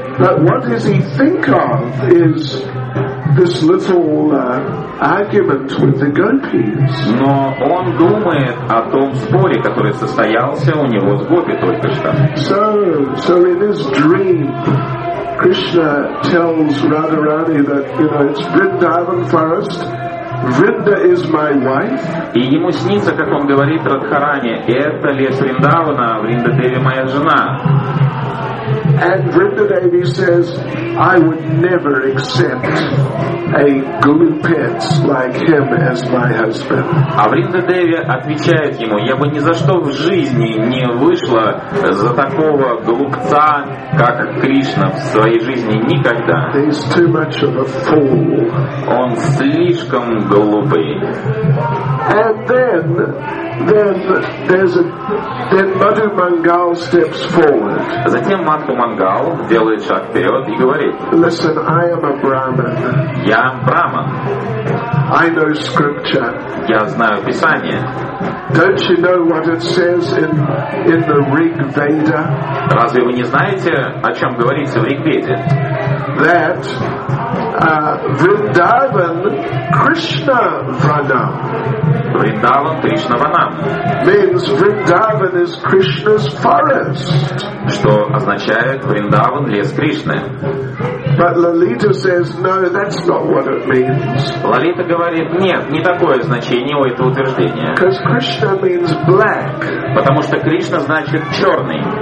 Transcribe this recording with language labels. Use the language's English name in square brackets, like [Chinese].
[English] But what does he think of is this little argument with the gopis. [Russian] Но он думает о том споре, который состоялся у него с гопи только что. [English] So in his dream, Krishna tells Radharani that, you know, it's Vrindavan forest, Vrinda is my wife. [Russian] И ему снится, как он говорит Радхаране, это лес Вриндавана, Вринда Деви моя жена. [English] And Vrinda Devi says, I would never accept a glupet like him as my husband. [Russian] А Вринда Деви отвечает ему, я бы ни за что в жизни не вышла за такого глупца, как Кришна, в своей жизни никогда. [English] He's too much of a fool. [Russian] Он слишком глупый. [English] And then Madhu Mangal steps forward. [Russian] Затем Мадху Мангал делает шаг вперед и говорит: [English] Listen, I am a Brahmin. [Russian] Я Брахман. [English] I know scripture. [Russian] Я знаю Писание. [English] Don't you know what it says in the Rig Veda? [Russian] Разве вы не знаете, о чем говорится в Ригведе? [English] That [Sanskrit] Vrindavan Krishna Vrana. Vrindavan Krishna Vrana. [English] Means Vrindavan is Krishna's forest. [Russian] Что означает Vrindavan лес Кришны. [English] But Lalita says, no, that's not what it means. [Russian] Лалита говорит, нет, не такое значение у этого утверждения. [English] Because Krishna means black. [Russian] Потому что Кришна значит черный.